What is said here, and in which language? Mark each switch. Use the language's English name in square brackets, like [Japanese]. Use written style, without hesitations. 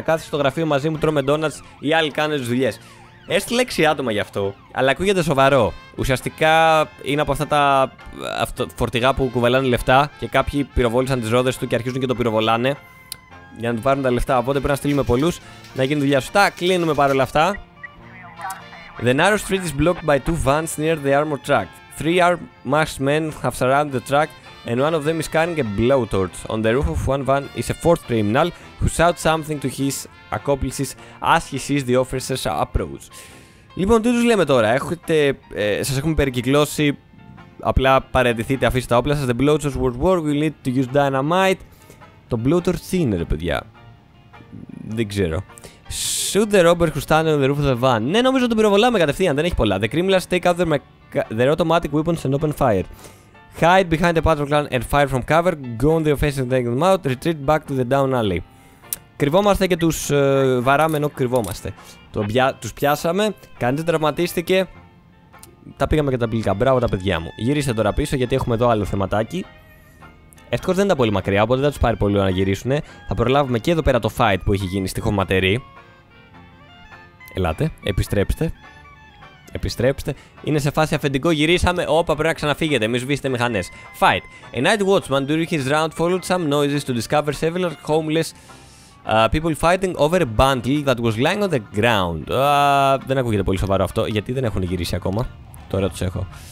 [Greek] Κάθεσαι στο γραφείο μαζί μου, τρώμε ντόνατς ή άλλοι κάνουν τις δουλειές. Έστειλε 6 άτομα γι' αυτό, αλλά ακούγεται σοβαρό. Ουσιαστικά είναι από αυτά τα φορτηγά που κουβαλάνε λεφτά και κάποιοι πυροβόλησαν τις ρόδες του και αρχίζουν και το πυροβολάνε για να του πάρουν τα λεφτά. Οπότε πρέπει να στείλουμε πολλούς να γίνει δουλειά σωστά. Κλείνουμε παρόλα αυτά. [English] The narrow street is blocked by two vans near the armored truck. Three armed men have surrounded the truck and one of them is carrying a blowtorch. On the roof of one van is a fourth criminal who shouts something to his accomplices as he sees the officers approach. [Greek] Λοιπόν, τι τους λέμε τώρα? Σας έχουμε περικυκλώσει. Απλά παραιτηθείτε, αφήστε τα όπλα σας. [English] The blowtorch was worked, we need to use dynamite. [Greek] Το blowtorch τι είναι, ρε παιδιά? Δεν ξέρω. [English] Shoot the robber who standing on the roof of the van. [Greek] Ναι, νομίζω τον πυροβολάμε κατευθείαν, δεν έχει πολλά. [English] The criminals take out their automatic weapons and open fire. Hide behind the patrol car and fire from cover. Go on the offensive and take them out. Retreat back to the down alley. [Greek] Κρυβόμαστε και τους βαράμε ενώ κρυβόμαστε. Τους πιάσαμε, κανείς δεν τραυματίστηκε. Τα πήγαμε καταπληκτικά. Μπράβο τα παιδιά μου. Γύρισε τώρα πίσω γιατί έχουμε εδώ άλλο θεματάκι. Ευτυχώς δεν ήταν πολύ μακριά, οπότε δεν θα τους πάρει πολύ ώρα να γυρίσουν. Θα προλάβουμε και εδώ πέρα το fight που έχει γίνει στη χωματερή. Ελάτε, επιστρέψτε. Επιστρέψτε. Είναι σε φάση αφεντικό, γυρίσαμε. Όπα, πρέπει να ξαναφύγετε. Μην σβήσετε μηχανές. Fight. [English] A night watchman during his round followed some noises to discover several homeless people fighting over a bundle that was lying on the ground. [Greek] Δεν ακούγεται πολύ σοβαρό αυτό. Γιατί δεν έχουν γυρίσει ακόμα. Τώρα τους έχω.